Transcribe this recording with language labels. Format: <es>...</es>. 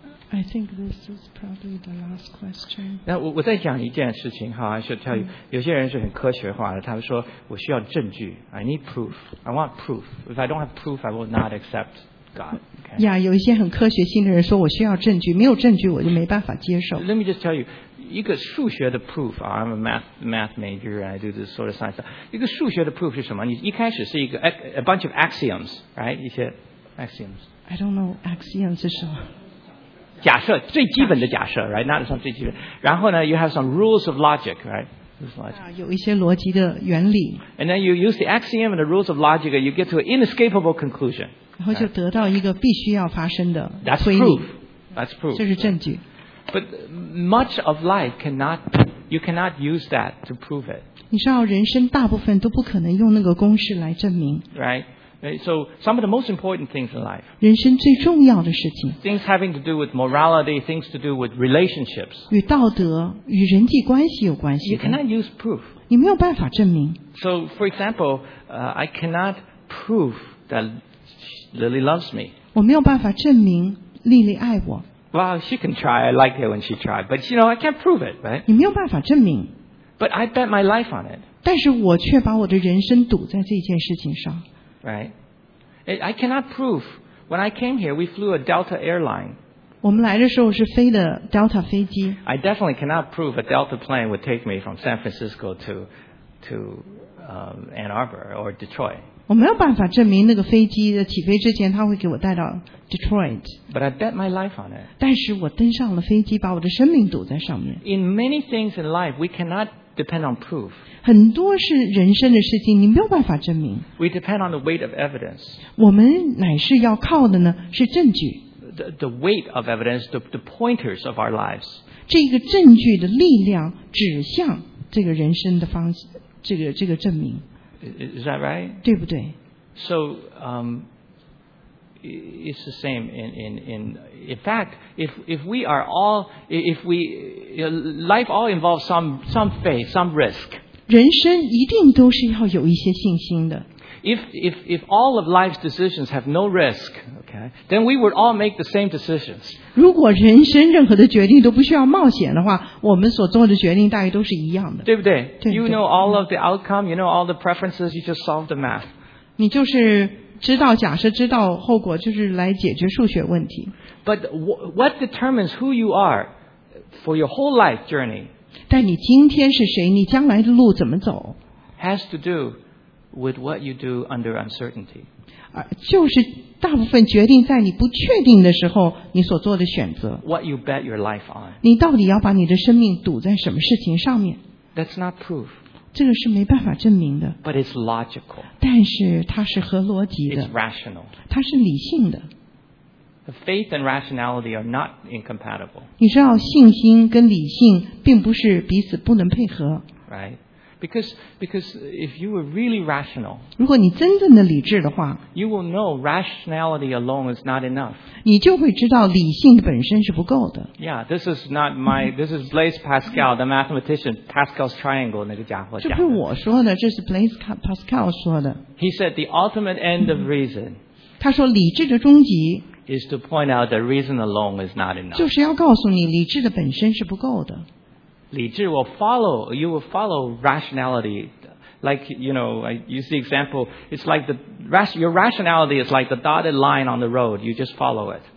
<en>，I think this is probably the last question.</en> <zh>那我再讲一件事情哈，是跳鱼。有些人是很科学化的，他们说我需要证据 ，</zh> <en>I need proof, I want proof. If I don't have proof, I will not accept.</en> <zh>呀、yeah, 有一些很科学性的人说我需要证据，没有证据我就没办法接受。</zh> <en>Let me just tell you</en> <zh>一个数学的</zh> <en>proof、啊、I'm a math major I do this sort of science</en> <zh>一个数学的</zh> <en>proof</en> <zh>是什么，你一开始是一个</zh> <en>a bunch of axioms right</en> <zh>一些</zh> <en>axioms I don't know axioms</en> <zh>是什么，假设，最基本的假设</zh> <en>right not some</en> <zh>最基本，然后呢</zh> <en>you have some rules of logic right You have some logic</en> <zh>的原理</zh> <en>And then you use the axiom and the rules of logic, you get to an inescapable conclusion.</en> <zh>然后就得到一个必须要发生的</zh> <en>That's proof. That's proof.</en> <zh>这是证据</zh> <en>But much of life cannot, you cannot use that to prove it.</en> <zh>你知道人生大部分都不可能用那个公式来证明</zh> <en>Right. So some of the most important things in life.</en> <zh>人生最重要的事情</zh> <en>Things having to do with morality, things to do with relationships.</en> <zh>与道德与人际关系有关系</zh> <en>You cannot use proof.</en> <zh>你没有办法证明</zh> <en>So for example, I cannot prove that Lily loves me.</en> <zh>我没有办法证明莉莉爱我</zh> <en>Well, she can try, I like it when she tried. But you know, I can't prove it, right?</en> <zh>你没有办法证明</zh> <en>But I bet my life on it.</en> <zh>但是我却把我的人生赌在这件事情上</zh> <en>Right, I cannot prove. When I came here, we flew a Delta airline.</en> <zh>我们来的时候是飞的 Delta 飞机。</zh> <en>I definitely cannot prove a Delta plane would take me from San Francisco to Ann Arbor or Detroit.</en> <zh>我没有办法证明那个飞机的起飞之前，它会给我带到 Detroit.</zh> <en>But I bet my life on it.</en> <zh>但是我登上了飞机，把我的生命赌在上面。</zh> <en>In many things in life, we cannot. Depend on proof.</en> <zh>很多是人生的事情，你没有办法证明。</zh> <en>We depend on the weight of evidence.</en> <zh>我们乃是要靠的呢，是证据。</zh> <en>The weight of evidence, the pointers of our lives.</en> <zh>这个证据的力量指向这个人生的方，这个证明。</zh> <en>Is that right?</en> <zh>对不对</zh> <en>？So, it's the same in fact if we life all involves some faith some risk</en> <zh>人生一定都是要有一些信心的</zh> <en>if all of life's decisions have no risk okay then we would all make the same decisions</en> <zh>如果人生任何的决定都不需要冒险的话我们所做的决定大概都是一样的对不 对, 对, 对</zh> <en>you know all of the outcome you know all the preferences you just solve the math</en> <zh>你就是知道假设知道后果就是来解决数学问题</zh> <en>But what determines who you are for your whole life journey</en> <zh>但你今天是谁你将来的路怎么走</zh> <en>has to do with what you do under uncertainty</en> <zh>就是大部分决定在你不确定的时候你所做的选择</zh> <en>what you bet your life on</en> <zh>你到底要把你的生命赌在什么事情上面</zh> <en>that's not proof</en> <zh>这个是没办法证明的</zh> <en>But it's logical.</en> <zh>但是它是合逻辑的</zh> <en>It's rational.</en> <zh>它是理性的</zh> <en>Faith and rationality are not incompatible.</en> <zh>你知道信心跟理性并不是彼此不能配合</zh> <en>Right. Because if you were really rational,</en> <zh>如果你真正的理智的话</zh> <en>you will know rationality alone is not enough.</en> <zh>你就会知道理性本身是不够的</zh> <en>Yeah, this is not my, this is Blaise Pascal, the mathematician, Pascal's triangle,</en> <zh>那个家伙讲的。这不是我说的，这是 Blaise Pascal 说的。</zh> <en>He said the ultimate end of reason.</en> <zh>他说理智的终极</zh> <en>is to point out that reason alone is not enough.</en> <zh>就是要告诉你理智的本身是不够的。理智</zh> <en>will follow, you will follow rationality. Like, you know, I use the example, it's like your rationality is like the dotted line on the road, you just follow it.</en>